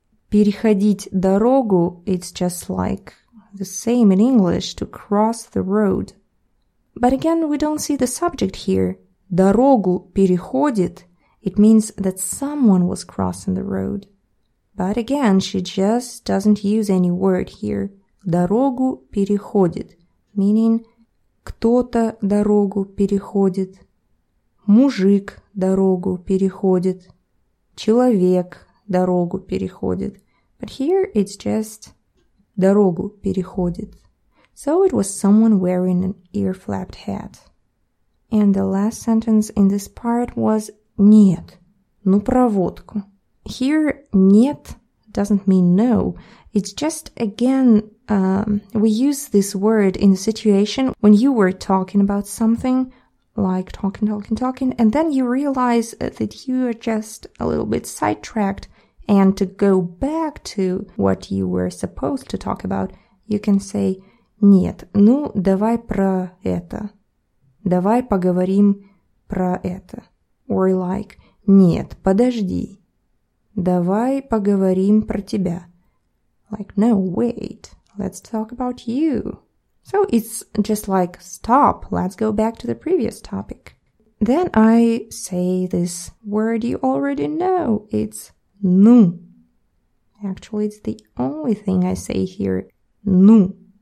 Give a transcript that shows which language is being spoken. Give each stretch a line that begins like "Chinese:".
Russian: Переходить дорогу,
English: it's just like the same in English, to cross the road. But again, we don't see the subject here.
Russian: Дорогу переходит,
English: it means that someone was crossing the road. But again, she just doesn't use any word here.
Russian: Дорогу переходит,
English: meaning
Russian: кто-то дорогу переходит, мужик дорогу переходит, человек дорогу переходит.
English: But here it's just
Russian: дорогу переходит.
English: So it was someone wearing an ear-flapped hat. And the last sentence in this part was
Russian: нет, ну проводку.
English: Here нет doesn't mean no. It's just, again, we use this word in a situation when you were talking about something, like talking, and then you realize that you are just a little bit sidetracked. And to go back to what you were supposed to talk about, you can say,
Russian: нет, ну давай про это. Давай поговорим про это.
English: Or like,
Russian: нет, подожди. Давай поговорим про тебя.
English: Like, no, wait, let's talk about you. So it's just like, stop, let's go back to the previous topic. Then I say this word you already know, it's ну. Actually, it's the only thing I say here, ну.